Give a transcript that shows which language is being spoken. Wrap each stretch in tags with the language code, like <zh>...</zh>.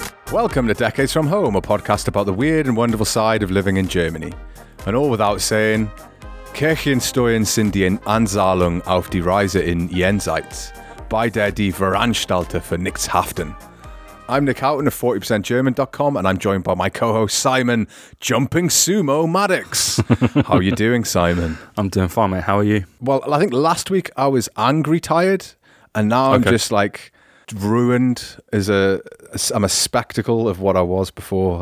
<en>Welcome to Decades From Home, a podcast about the weird and wonderful side of living in Germany. And all without saying,</en> <de>Kirchen steuern sind die Anzahlung auf die Reise in Jenseits, bei der die Veranstalter für nichts haften.</de> <en>I'm Nick Houghton of 40%German.com, and I'm joined by my co-host Simon Jumping Sumo Maddox. How are you doing, Simon? I'm doing fine, mate. How are you? Well, I think last week I was angry tired, and now I'm just like ruined as I'm a spectacle of what I was before.</en>